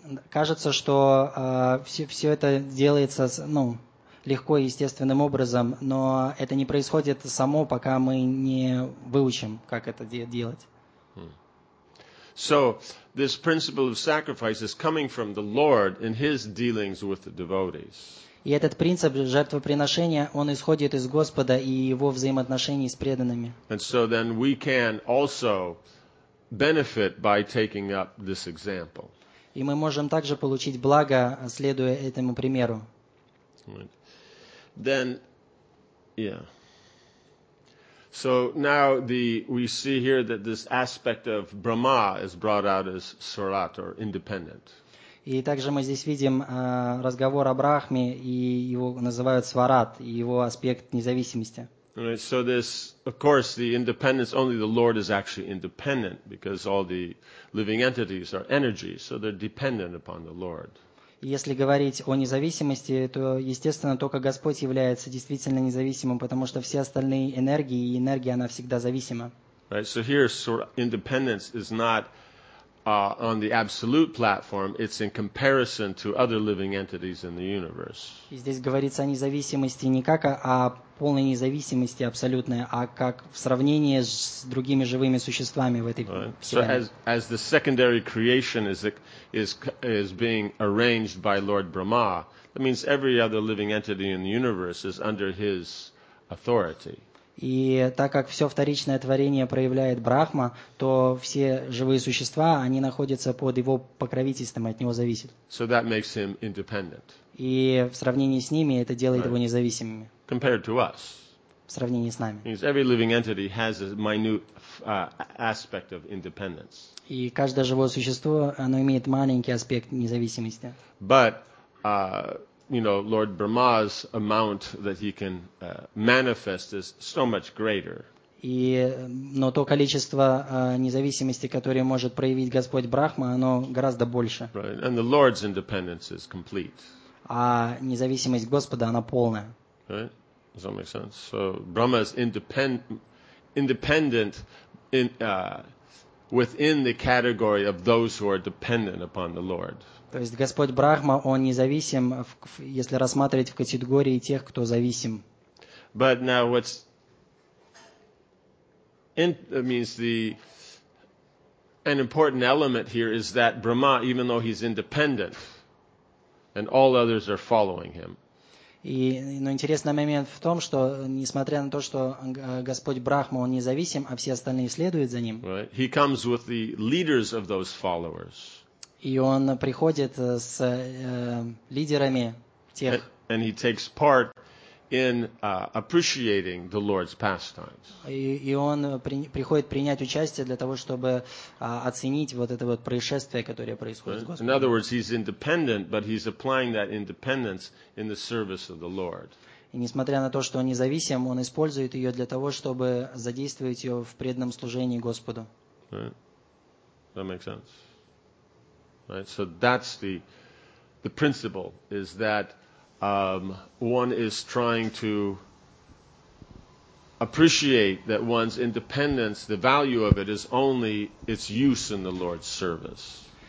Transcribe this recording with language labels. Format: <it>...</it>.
<ru>Кажется, что все это делается легко и естественным образом, но это не происходит само, пока мы не выучим, как это делать.</ru> <en>So this principle of sacrifice is coming from the Lord in his dealings with the devotees.</en> <ru>И этот принцип жертвоприношения, он исходит из Господа и его взаимоотношений с преданными.</ru> <en>And so then we can also benefit by taking up this example.</en> <ru>И мы можем также получить благо, следуя этому примеру.</ru> <en>Then, yeah. So now we see here that this aspect of Brahma is brought out as Swarat or independent.</en> <ru>И также мы здесь видим разговор о Брахме, и его называют Сварат, и его аспект независимости.</ru> <en>Right, so this, of course, the independence, only the Lord is actually independent, because all the living entities are energy, so they're dependent upon the Lord.</en> <ru>Если говорить о независимости, то, естественно, только Господь является действительно независимым, потому что все остальные энергии, и энергия, она всегда зависима.</ru> <en>Right, so here, independence is not on the absolute platform, it's in comparison to other living entities in the universe.</en> <ru>И здесь говорится о независимости не как о полной независимости абсолютной, а как в сравнении с другими живыми существами в этой вселенной.</ru> <en>Right. So as the secondary creation is being arranged by Lord Brahma, that means every other living entity in the universe is under his authority.</en> <ru>И так как все вторичное творение проявляет Брахма, то все живые существа, они находятся под его покровительством, от него зависят.</ru> <en>So that makes him independent.</en> <ru>И в сравнении с ними это делает его независимыми.</ru> <en>Compared to us.</en> <ru>В сравнении с нами.</ru> <en>Means every living entity has a minute aspect of independence.</en> <ru>И каждое живое существо, оно имеет маленький аспект независимости.</ru> <en>But you know, Lord Brahma's amount that he can manifest is so much greater.</en> <ru>И, но то количество независимости, которое может проявить Господь Брахма, оно гораздо больше.</ru> <en>Right. And the Lord's independence is complete.</en> <ru>А независимость Господа, она полная.</ru> <en>Right? Does that make sense? So Brahma is independent in, within the category of those who are dependent upon the Lord.</en> <ru>То есть Господь Брахма, он независим, если рассматривать в категории тех, кто зависим.</ru> <en>But now what's means the an important element here is that Brahma, even though he's independent, and all others are following him.</en> <ru>Но интересный момент в том, что несмотря на то, что Господь Брахма, он независим, а все остальные следуют за ним.</ru> <en>Right. He comes with the leaders of those followers.</en> <ru>И он приходит с лидерами тех</ru> <en>and he takes part in appreciating the Lord's pastimes.</en> <ru>И он приходит принять участие для того, чтобы оценить вот это вот происшествие, которое происходит с Господом.</ru> <en>In other words, he's independent, but he's applying that independence in the service of the Lord.</en> <ru>И несмотря на то, что он независим, он использует ее для того, чтобы задействовать ее в преданном служении Господу.</ru> <en>Right. That makes sense. Right. So that's the principle, is that one is trying to appreciate that one's independence, the value of it is only its use in the Lord's service.</en>